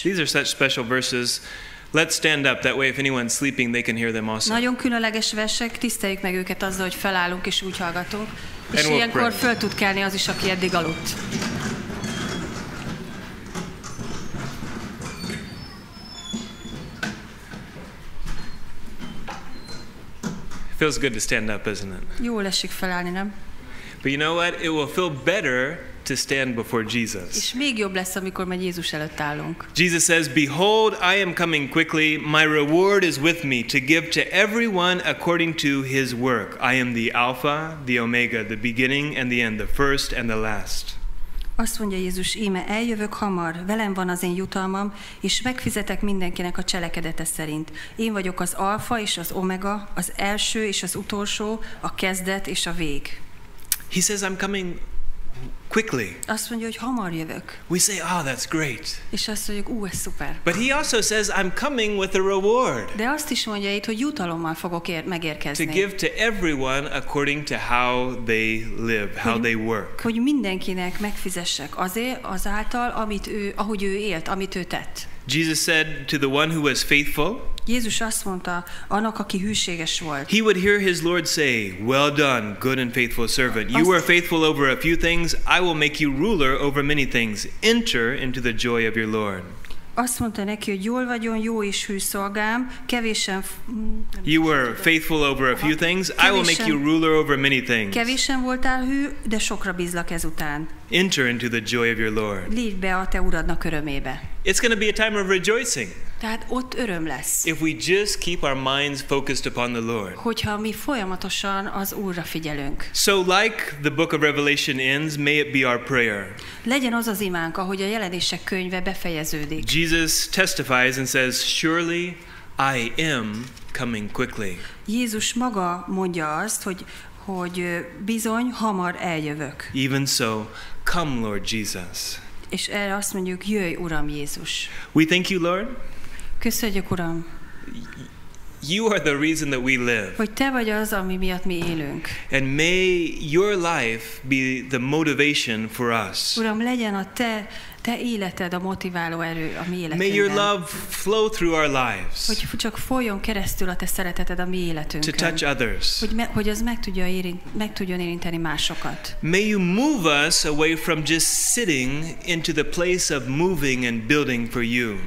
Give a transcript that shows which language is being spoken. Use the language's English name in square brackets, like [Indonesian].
[English] These are such special verses. Let's stand up, that way if anyone's sleeping, they can hear them also. [Hungarian] Nagyon különleges versek, tiszteljük meg őket azzal, hogy felállunk és úgy hallgatunk. És ilyenkor föl tud kelni az is, aki eddig aludt. [English] Feels good to stand up, isn't it? [Hungarian] Jól esik felállni, nem? [English] But you know what? It will feel better to stand before Jesus. [Hungarian] És még jobb lesz, amikor majd Jézus előtt állunk. [English] Jesus says, "Behold, I am coming quickly. My reward is with me to give to everyone according to his work. I am the Alpha, the Omega, the beginning and the end, the first and the last." [Hungarian] Azt mondja Jézus: íme, eljövök hamar, velem van az én jutalmam, és megfizetek mindenkinek a cselekedete szerint. Én vagyok az Alfa és az Omega, az első és az utolsó, a kezdet és a vég. [English] He says, I'm coming quickly. [Hungarian] Azt mondja, hogy hamar jövök. [English] We say, oh, that's great. [Hungarian] És azt mondjuk, ú, ez szuper. [English] But he also says, I'm coming with a reward. [Hungarian] De azt is mondja itt, hogy jutalommal fogok megérkezni. [English] To give to everyone according to how they live, how they work. [Hungarian] Hogy mindenkinek megfizessek azért, azáltal, amit ő, ahogy ő élt, amit ő tett. [English] Jesus said to the one who was faithful, [Hungarian] Jézus azt mondta annak, aki hűséges volt. [English] He would hear his Lord say, "Well done, good and faithful servant. You were faithful over a few things, I will make you ruler over many things. Enter into the joy of your Lord." [Hungarian] Azt mondta neki, hogy jól vagyon, jó és hű szolgám, kevésen. [English] You were faithful over a few things, [Hungarian] kevésen, [English] I will make you ruler over many things. [Hungarian] Kevésen voltál hű, de sokra bízlak ezután. [English] Enter into the joy of your Lord. [Hungarian] Lépj be a te uradnak örömébe. [English] It's going to be a time of rejoicing. [Hungarian] Tehát ott öröm lesz. [English] If we just keep our minds focused upon the Lord. [Hungarian] Hogyha mi folyamatosan az Úrra figyelünk. [English] So like the book of Revelation ends, may it be our prayer. [Hungarian] Legyen az az imánk, ahogy a Jelenések könyve befejeződik. [English] Jesus testifies and says, "Surely I am coming quickly." [Hungarian] Jézus maga mondja azt, hogy bizony hamar eljövök. [English] Even so, come Lord Jesus. [Hungarian] És erre azt mondjuk, jöjj Uram Jézus. [English] We thank you, Lord. [Hungarian] Köszönjük, Uram. [English] You are the reason that we live. [Hungarian] Hogy te vagy az, ami miatt mi élünk. [English] And may your life be the motivation for us. [Hungarian] Uram, legyen a te életed a motiváló erő a mi életünkben. [English] May your love flow through our lives. [Hungarian] Hogy csak folyjon keresztül a te szereteted a mi életünkön. [English] To touch others. [Hungarian] Hogy az meg tudjon érinteni másokat. [English] May you move us away from just sitting into the place of moving and building for you.